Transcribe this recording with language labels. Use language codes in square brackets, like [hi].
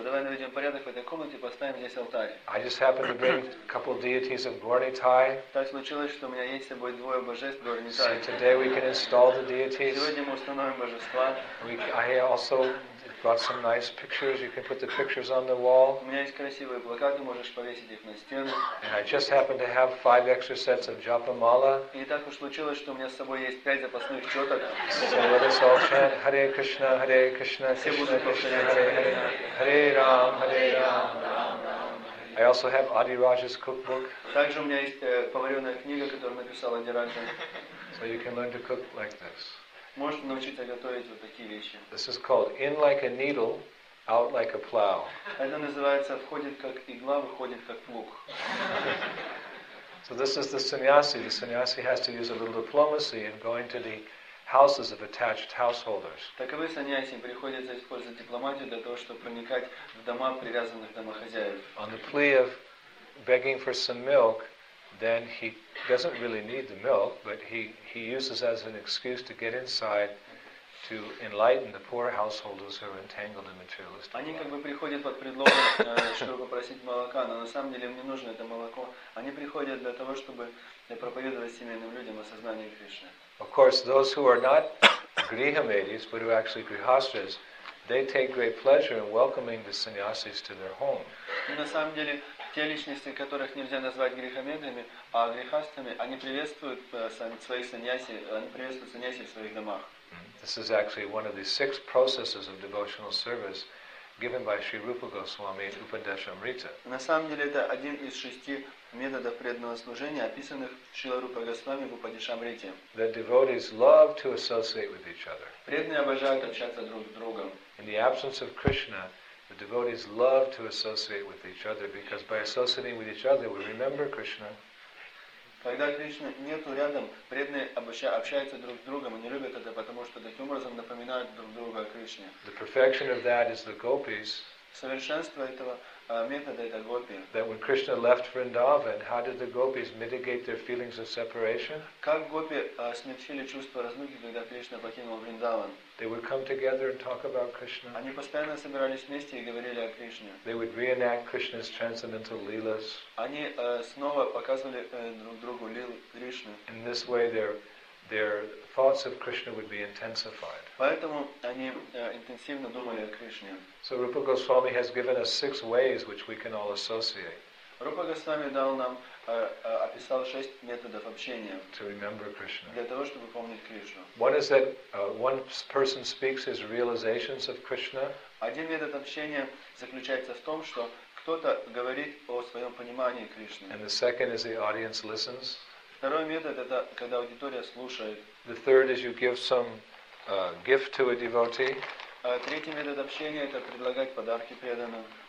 [ru] Давай наведем порядок в этой комнате, поставим здесь алтарь. [en] I just happened to bring a couple deities of Gauritai. [ru] Так случилось, что у меня есть с собой двое божеств Гауритай. [en] So today we can install the deities. [ru] Сегодня мы установим божества. [en] I also brought some nice pictures. You can put the pictures on the wall. [ru] У меня есть красивые плакаты, можешь повесить их на стену. [en] And I just happened to have 5 extra sets of Japa Mala. [ru] И так уж случилось, что у меня с собой есть 5 запасных чёток. [en] So let us all chant Hare Krishna, Hare Krishna, Krishna Krishna, Krishna Hare Hare, Hare Ram, Hare Ram, I also have Adi Raj's cookbook. [ru] Также у меня есть поварёная книга, которую написал Адди Раджа. [en] So you can learn to cook like this. [ru] Можно научиться готовить вот такие вещи. [en] This is called in like a needle, out like a plow. [ru] Это называется входит как игла, выходит как плуг. [en] So this is the sannyasi. The sannyasi has to use a little diplomacy in going to the houses of attached householders. [ru] Таковы сannyasi, приходится использовать дипломатию для того, чтобы проникать в дома привязанных домохозяев. [en] On the plea of begging for some milk, then he doesn't really need the milk, but he uses as an excuse to get inside to enlighten the poor householders who are entangled in materialism. [ru] Они как бы приходят под предлогом, чтобы попросить молока, но на самом деле им не нужно это молоко. Они приходят для того, чтобы проповедовать семейным людям о сознании Кришны. [en] Of course, those who are not grihamedis, but who are actually grihastras, they take great pleasure in welcoming the sannyasis to their home. [ru] На самом деле, те личности, которых нельзя назвать грихамедами, а грихастами, они приветствуют своих сannyasi, они приветствуют сannyasi в своих домах. [en] This is actually one of the 6 processes of devotional service given by Sri Rupa Goswami in Upadeshamrita. [ru] На самом деле это один из 6 методов преданного служения, описанных Шрила Рупа Госвами в Упадешамрите. [en] The devotees love to associate with each other. [ru] Преданные обожают общаться друг с другом. [en] In the absence of Krishna, the devotees love to associate with each other because by associating with each other we remember Krishna. [ru] Когда Кришны нету рядом, преданные общаются друг с другом, они любят это, потому что таким образом напоминают друг друга о Кришне. [en] The perfection of that is the gopis. [ru] Совершенство этого метода — это гопи. [en] That when Krishna left Vrindavan, how did the gopis mitigate their feelings of separation? [ru] Как гопи смягчили чувство разлуки, когда Кришна покинул Вриндаван? [en] They would come together and talk about Krishna. [ru] Они постоянно собирались вместе и говорили о Кришне. [en] They would reenact Krishna's transcendental leelas. [ru] Они снова показывали друг другу лил Кришны. [en] In this way, their thoughts of Krishna would be intensified. [ru] Поэтому они интенсивно думали о Кришне. [en] So Rupa Goswami has given us 6 ways which we can all associate. [ru] Rupa Goswami дал нам описал 6 методов общения. [en] To remember Krishna. [ru] Для того, чтобы помнить Кришну. [en] What is that one person speaks his realizations of Krishna? [ru] Один метод общения заключается в том, что кто-то говорит о своём понимании Кришны. [en] And the second is the audience listens. [ru] Второй метод это когда аудитория слушает. [en] The third is you give some gift to a devotee. [ru] Третий метод общения – это предлагать подарки преданным.